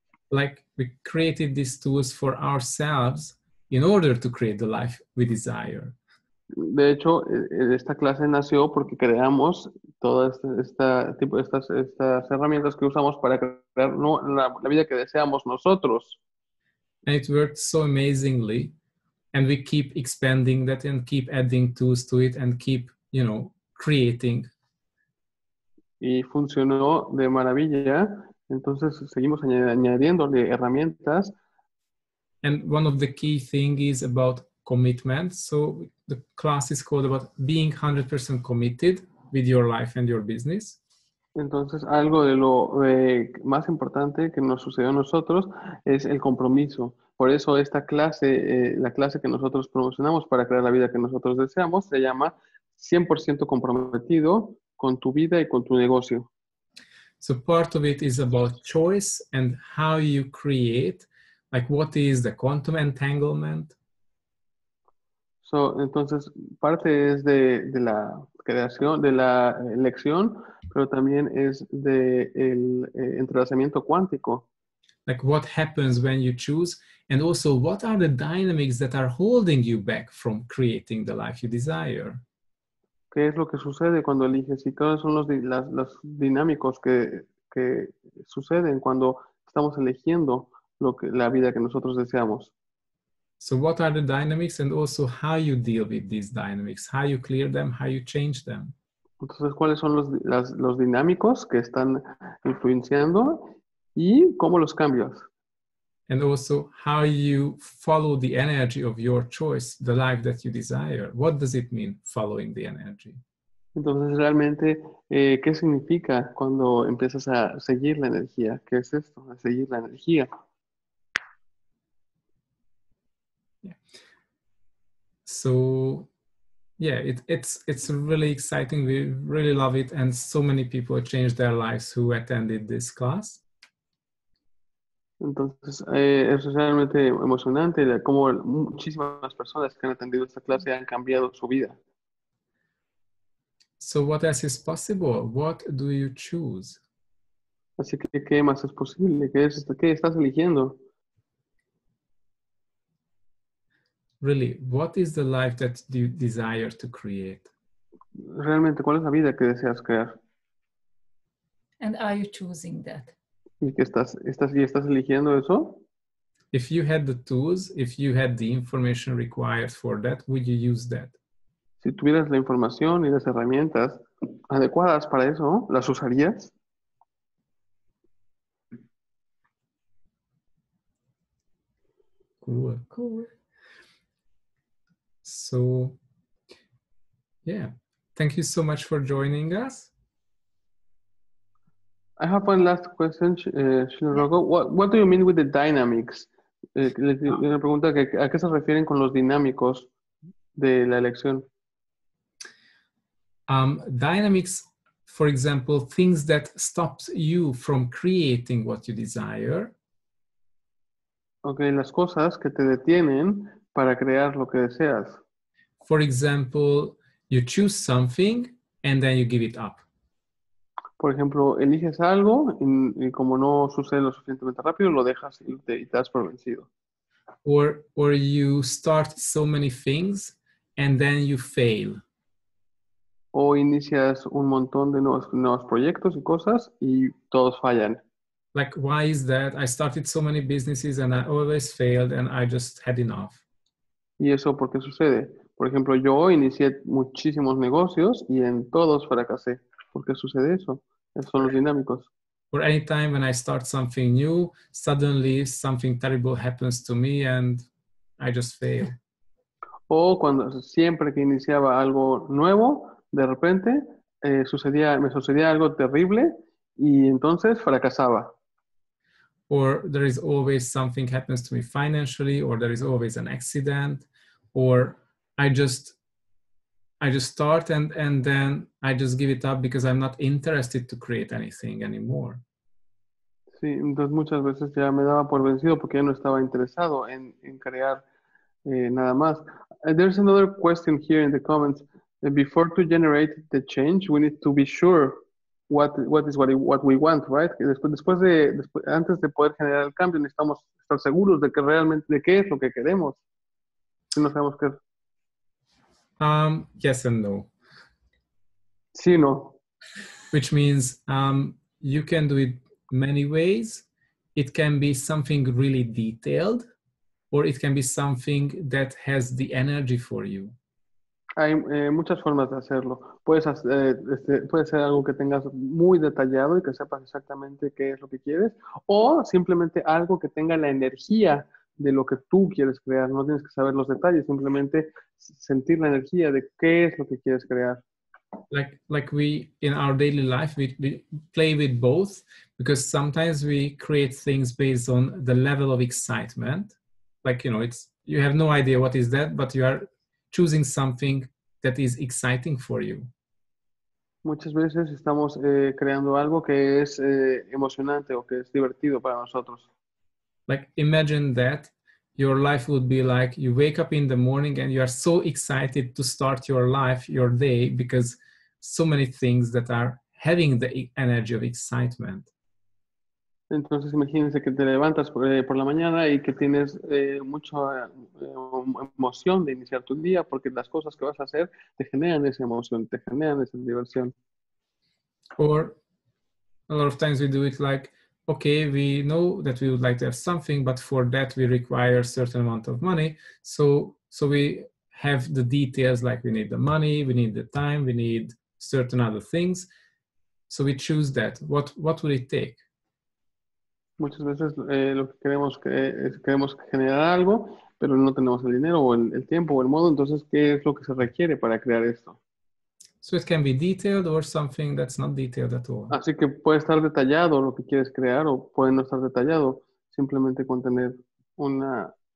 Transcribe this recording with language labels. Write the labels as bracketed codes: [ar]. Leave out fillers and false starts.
[en] Like we created these tools for ourselves in order to create the life we desire. [es] De hecho, esta clase nació porque creamos todas estas herramientas que usamos para crear la vida que deseamos nosotros. [en] And it worked so amazingly. And we keep expanding that and keep adding tools to it and keep, you know, creating. [es] Y funcionó de maravilla. Entonces seguimos añadiéndole herramientas. [en] And one of the key thing is about commitment. So the class is called about being 100% committed with your life and your business. [es] Entonces algo de lo más importante que nos sucedió a nosotros es el compromiso. Por eso esta clase, la clase que nosotros promocionamos para crear la vida que nosotros deseamos, se llama 100% comprometido con tu vida y con tu negocio. [en] So part of it is about choice and how you create, like what is the quantum entanglement. [es] So, entonces, parte es de la creación, de la elección, pero también es del entrelazamiento cuántico. [en] Like what happens when you choose, and also what are the dynamics that are holding you back from creating the life you desire. [es] ¿Qué es lo que sucede cuando eliges? ¿Y cuáles son los dinámicos que suceden cuando estamos eligiendo la vida que nosotros deseamos? [en] So what are the dynamics and also how you deal with these dynamics? How you clear them, how you change them? [es] Entonces, ¿cuáles son los dinámicos que están influenciando y cómo los cambias? [en] And also how you follow the energy of your choice, the life that you desire. What does it mean following the energy? [es] Entonces, realmente, ¿qué significa cuando empiezas a seguir la energía? ¿Qué es esto? A seguir la energía. [en] So, yeah, it's really exciting. We really love it, and so many people changed their lives who attended this class. [es] Entonces, es realmente emocionante cómo muchísimas personas que han atendido esta clase han cambiado su vida. [en] So, what else is possible? What do you choose? [es] Así que, ¿qué más es posible? ¿Qué estás eligiendo? [en] Really, what is the life that you desire to create? [es] Realmente, ¿cuál es la vida que deseas crear? [en] And are you choosing that? [es] ¿Y que estás eligiendo eso? [en] If you had the tools, if you had the information required for that, would you use that? [es] Si tuvieras la información y las herramientas adecuadas para eso, ¿las usarías? [en] Cool. So, yeah. Thank you so much for joining us. I have one last question, Shinrogo. What do you mean with the dynamics? [es] Una pregunta, ¿a qué se refieren con los dinámicos de la elección? [en] Dynamics, for example, things that stops you from creating what you desire. [es] Okay, las cosas que te detienen para crear lo que deseas. [en] For example, you choose something and then you give it up. [es] Por ejemplo, eliges algo y como no sucede lo suficientemente rápido, lo dejas y te das por vencido. [en] Or you start so many things and then you fail. [es] o inicias un montón de nuevos proyectos y cosas y todos fallan. [en] Like, why is that? I started so many businesses and I always failed and I just had enough. [es] ¿Y eso por qué sucede? Por ejemplo, yo inicié muchísimos negocios y en todos fracasé. ¿Por qué sucede eso? Esos son los dinámicos. [en] Or any time when I start something new, suddenly something terrible happens to me and I just fail. [es] O cuando siempre que iniciaba algo nuevo, de repente me sucedía algo terrible y entonces fracasaba. [en] Or there is always something happens to me financially, or there is always an accident, or I just start and then I just give it up because I'm not interested to create anything anymore. [es] Sí, entonces muchas veces ya me daba por vencido porque ya no estaba interesado en crear nada más. [en] There's another question here in the comments. Before to generate the change, we need to be sure what we want, right? [es] Antes de poder generar el cambio, necesitamos estar seguros de que realmente de qué es lo que queremos. Si no sabemos qué. [en] Yes and no. [es] Sí, no. [en] Which means you can do it many ways. It can be something really detailed, or it can be something that has the energy for you. [es] Hay muchas formas de hacerlo. Puede ser algo que tengas muy detallado y que sepas exactamente qué es lo que quieres, o simplemente algo que tenga la energía de lo que tú quieres crear. No tienes que saber los detalles, simplemente sentir la energía de qué es lo que quieres crear. [en] Like we, in our daily life, we play with both, because sometimes we create things based on the level of excitement. Like, you know, it's, you have no idea what is that, but you are choosing something that is exciting for you. [es] Muchas veces estamos creando algo que es emocionante o que es divertido para nosotros. [en] Like, imagine that your life would be like, you wake up in the morning and you are so excited to start your life, your day, because so many things that are having the energy of excitement. [es] Entonces imagínense que te levantas por la mañana y que tienes mucha emoción de iniciar tu día porque las cosas que vas a hacer te generan esa emoción, te generan esa diversión. [en] Or a lot of times we do it like, okay, we know that we would like to have something, but for that we require a certain amount of money. So we have the details, like we need the money, we need the time, we need certain other things. So we choose that. What would it take? [es] Muchas veces lo que queremos es queremos generar algo, pero no tenemos el dinero o el tiempo o el modo. Entonces, ¿qué es lo que se requiere para crear esto? [en] So it can be detailed or something that's not detailed at all. [es] Así que puede estar detallado lo que quieres crear o puede no estar detallado, simplemente con tener una.